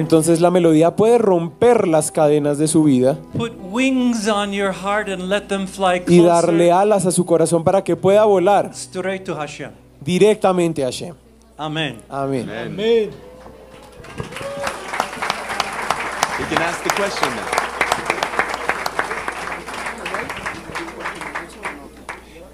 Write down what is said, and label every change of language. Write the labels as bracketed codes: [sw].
[es] Entonces la melodía puede romper las cadenas de su vida. [en] Put wings on your heart and let them fly closer. [es] Y darle alas a su corazón para que pueda volar. [en] Straight to Hashem. [es] Directamente a Hashem. Amen. Amen. Amen. [en] You can ask the question now.